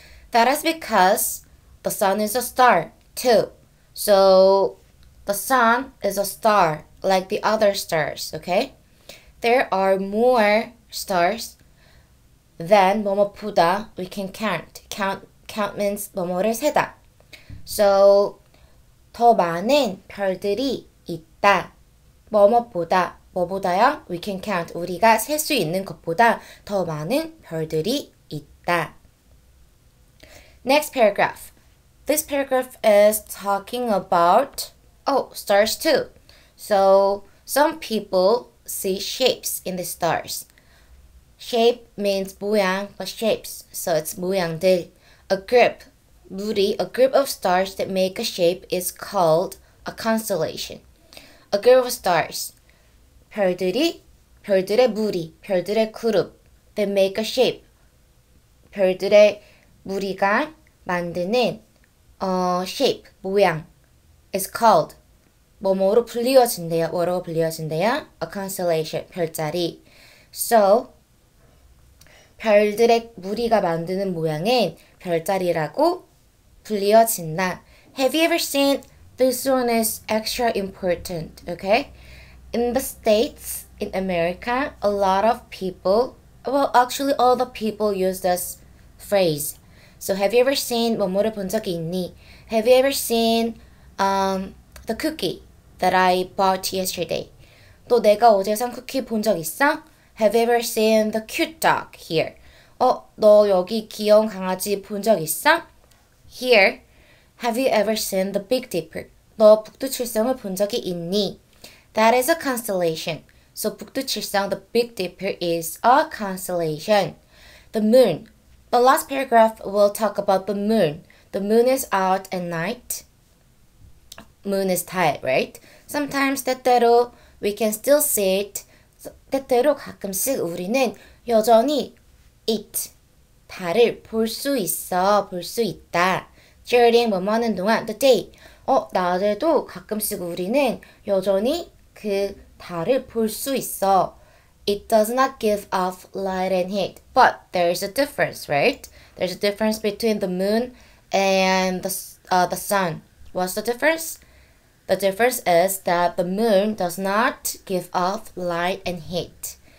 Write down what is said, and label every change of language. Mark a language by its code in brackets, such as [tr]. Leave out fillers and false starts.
[en] That is because the sun is a star too. So the sun is a star like the other stars, okay? There are more stars than [ko] 뭐뭐보다 [en] we can count. Count means [ko] 뭐뭐를 세다. So 더 많은 별들이 있다. 뭐뭐보다 뭐보다요? [en] We can count. [ko] 우리가 셀수 있는 것보다 더 많은 별들이 있다. [en] Next paragraph. This paragraph is talking about oh, stars too. So, some people see shapes in the stars. Shape means [ko] 모양, [en] but shapes. So, it's [ko] 모양들. [en] A group, [ko] 무리, [en] a group of stars that make a shape is called a constellation. A group of stars. [ko] 별들이, 별들의 무리, 별들의 그룹 [en] that make a shape. [ko] 별들의 무리가 만드는 [en] shape, [ko] 모양 [en] is called [ko] 뭐뭐로 불리워진대요? 뭐라고 불리워진대요? [en] A constellation, [ko] 별자리. So, 별들의 무리가 만드는 모양은 별자리라고 불리워진다. [en] Have you ever seen? This one is extra important, okay? In the States, in America, a lot of people, well, actually all the people use this phrase. So, have you ever seen [ko] 뭐뭐를 본 적이 있니? [en] Have you ever seen the cookie that I bought yesterday? [ko] 너 내가 어제 산 쿠키 본적 있어? [en] Have you ever seen the cute dog here? [ko] 너 여기 귀여운 강아지 본적 있어? [en] Here, have you ever seen the Big Dipper? [ko] 너 북두칠성을 본 적이 있니? [en] That is a constellation. So [ko] 북두칠성, [en] the Big Dipper is a constellation. The moon. The last paragraph will talk about the moon. The moon is out at night. Moon is tired, right? Sometimes [ko] 때때로 [en] we can still see it. [ko] 때때로 가끔씩 우리는 여전히 [en] it [ko] 달을 볼수 있어, 볼수 있다. [en] During [ko] 뭐뭐하는 동안 [en] the day. [ko] 낮에도 가끔씩 우리는 여전히 그 달을 볼수 있어. [en] It does not give off light and heat, but there is a difference, right? There's a difference between the moon and the sun. What's the difference? The difference is that the moon does not give off light and heat.